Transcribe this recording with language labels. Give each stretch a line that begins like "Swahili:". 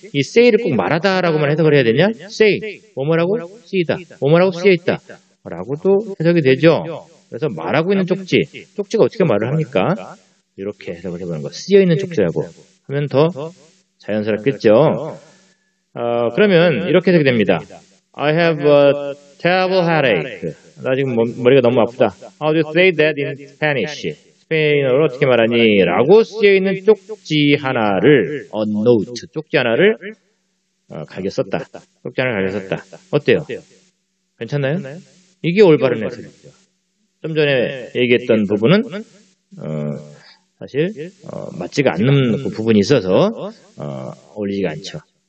Korean: 이 say를 꼭 말하다라고만 해석을 해야 되냐? say, 뭐뭐라고 쓰이다, 뭐뭐라고 쓰여있다 라고도 해석이 되죠. 그래서 말하고 있는 쪽지, 쪽지가 어떻게 말을 합니까? 이렇게 해석을 해보는 거, 쓰여있는 쪽지라고 하면 더 자연스럽겠죠. 그러면 이렇게 되게 됩니다.
English: I have a terrible headache.
Korean: 나 지금 머리가 너무 아프다.
English: How do you say that in Spanish?
Korean: 스페인어로 어떻게 말하니? 라고 쓰여있는 쪽지 하나를 a note, 쪽지 하나를 갈겨 썼다. 쪽지 하나를 갈겨 썼다. 어때요? 괜찮나요? 이게 올바른 해석이죠. 좀 전에 얘기했던 부분은 사실 맞지가 않는 그 부분이 있어서 어울리지가 않죠.